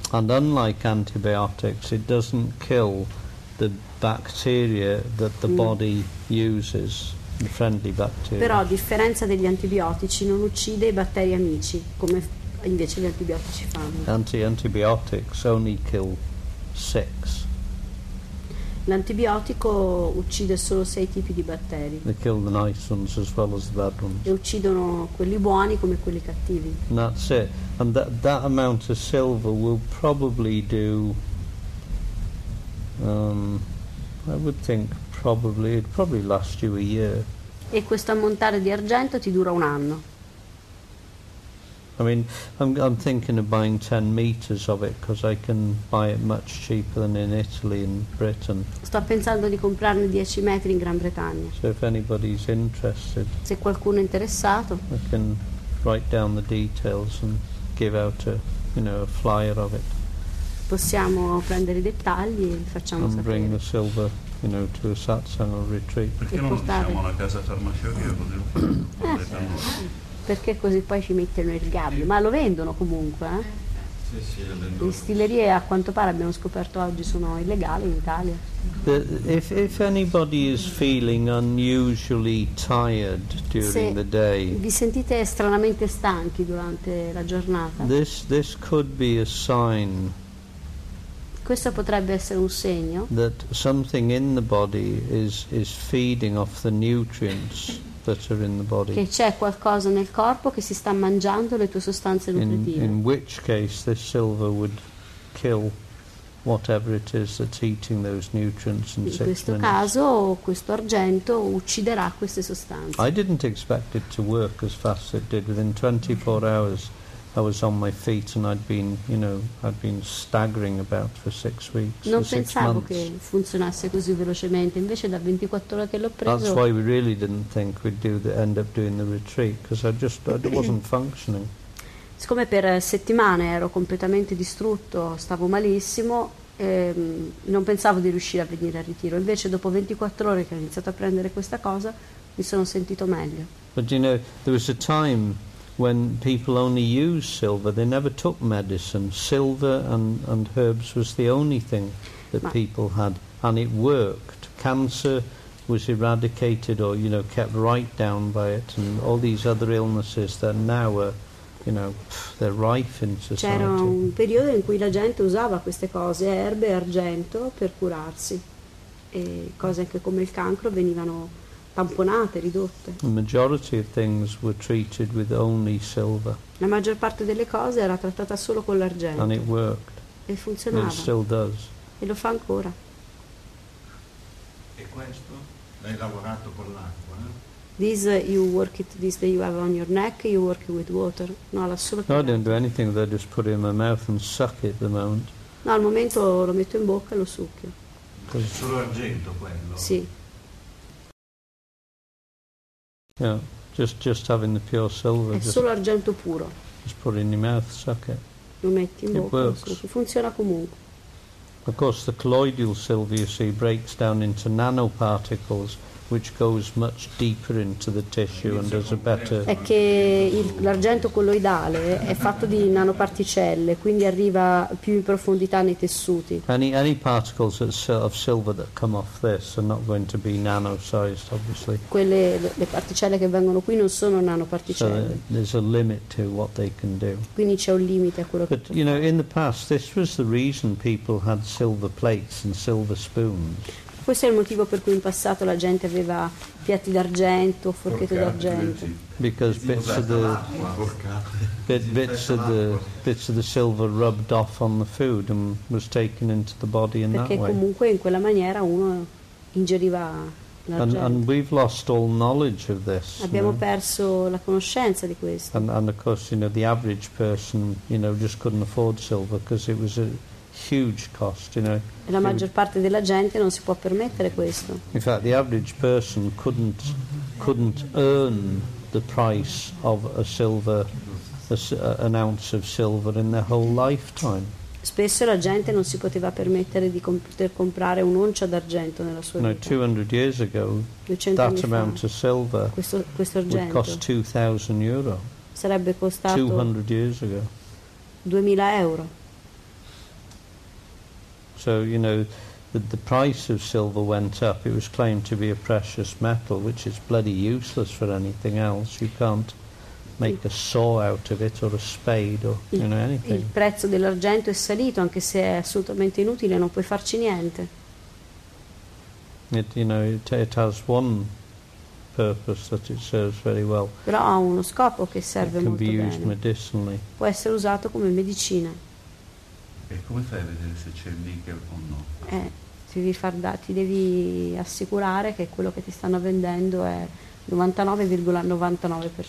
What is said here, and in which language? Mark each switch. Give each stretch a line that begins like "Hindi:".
English: And unlike antibiotics, it doesn't kill the bacteria that the body uses.
Italian: Però a differenza degli antibiotici non uccide i batteri amici come invece gli antibiotici fanno.
English: Antibiotics only kill 6.
Italian: L'antibiotico uccide solo 6 tipi di batteri.
English: They kill the nice ones as well as the bad ones.
Italian: E uccidono quelli buoni come quelli cattivi.
English: And that's it. And that amount of silver will probably do. I would think. Probably it'd probably last you a year.
Italian: E questo ammontare di argento ti dura un anno.
English: I mean, I'm thinking of buying 10 meters of it because I can buy it much cheaper than in Italy and Britain.
Italian: Sto pensando di comprarne 10 metri in Gran Bretagna.
English: So if anybody's interested,
Italian: se qualcuno è interessato,
English: I can write down the details and give out a flyer of it.
Italian: Possiamo prendere i dettagli e facciamo
English: and
Italian: sapere.
English: And bring the silver. To a satsang or retreat.
Italian: Perché non siamo alla casa farmaceutica così lo fanno? Perché così poi ci mettono il gabbio, ma lo vendono comunque, Sì, lo vendono. Le distillerie, a quanto pare, abbiamo scoperto oggi, sono illegali in Italia.
English: If anybody is feeling unusually tired during
Italian: se
English: the day,
Italian: vi sentite stranamente stanchi durante la giornata,
English: this could be a sign.
Italian: Questo potrebbe essere un segno
English: that something in the body is feeding off the nutrients that are in the body.
Italian: Che c'è qualcosa nel corpo che si sta mangiando le tue sostanze nutritive.
English: In which case this silver would kill whatever it is that's eating those nutrients in 6 minutes.
Italian: In questo caso questo argento ucciderà queste sostanze.
English: I didn't expect it to work as fast as it did. Within 24 hours I was on my feet and I'd been staggering about for 6 weeks.
Italian: Non pensavo che funzionasse così velocemente, invece da 24 ore che l'ho preso.
English: That's why we really didn't think we'd end up doing the retreat, because I wasn't functioning.
Italian: Siccome per settimane ero completamente distrutto, stavo malissimo, non pensavo di riuscire a venire al ritiro. Invece dopo 24 ore che ho iniziato a prendere questa cosa, mi sono sentito meglio.
English: But there was a time when people only use silver, they never took medicine. Silver and herbs was the only thing that people had, and it worked. Cancer was eradicated or kept right down by it, and all these other illnesses that now are they're rife in society.
Italian: C'era un periodo in cui la gente usava queste cose, erbe e argento, per curarsi, e cose anche come il cancro venivano tamponate, ridotte.
English: The majority of things were treated with only silver.
Italian: La maggior parte delle cose era trattata solo con l'argento.
English: And it worked.
Italian: E funzionava.
English: And it still does.
Italian: E lo fa ancora. E questo l'hai lavorato con l'acqua,
English: This you work it. This that you have on your neck, you work it with water. No, no, I didn't do anything. I just put it in my mouth and suck it at the moment.
Italian: No, al momento lo metto in bocca e lo succhio. Solo argento quello. Sì.
English: Yeah, just having the pure silver.
Italian: È solo argento puro.
English: Just put it in your mouth, suck it.
Italian: Lo metti in bocca, lo funziona comunque.
English: Of course, the colloidal silver you see breaks down into nanoparticles, which goes much deeper into the tissue and does a better.
Italian: È che l'argento colloidale è fatto di nanoparticelle, quindi arriva più in profondità nei tessuti.
English: Any particles of silver that come off this are not going to be nano-sized, obviously.
Italian: Quelle le particelle che vengono qui non sono nanoparticelle.
English: So there's a limit to what they can do.
Italian: Quindi c'è un limite a quello che.
English: But you know, in the past, this was the reason people had silver plates and silver spoons.
Italian: Questo è il motivo per cui in passato la gente aveva piatti d'argento, forchette d'argento.
English: Because bits of the silver rubbed off on the food and was taken into the body in
Italian: perché Perché comunque in quella maniera uno ingeriva l'argento.
English: And we've lost all knowledge of this.
Italian: Abbiamo perso la conoscenza di questo.
English: And of course, you know, the average person, you know, just couldn't afford silver because it was a huge cost, you know.
Italian: E la maggior parte della gente non si può permettere questo.
English: In fact, the average person couldn't earn the price of a silver, an ounce of silver in their whole lifetime.
Italian: Spesso la gente non si poteva permettere di poter comprare un'oncia d'argento nella sua vita.
English: No, 200 years ago, that amount of silver would cost 2,000 euro.
Italian: Sarebbe costato
English: 200 years ago.
Italian: 2,000 euro.
English: So, you know, the price of silver went up. It was claimed to be a precious metal, which is bloody useless for anything else. You can't make a saw out of it or a spade or, you know, anything.
Italian: Il prezzo dell'argento è salito, anche se è assolutamente inutile, non puoi farci niente.
English: It has one purpose that it serves very well.
Italian: Però ha uno scopo che serve molto bene.
English: It can be used medicinally.
Italian: Può essere usato come medicina. E come fai a vedere se c'è il nickel o no? Ti devi assicurare che quello che ti stanno vendendo è 99,99%.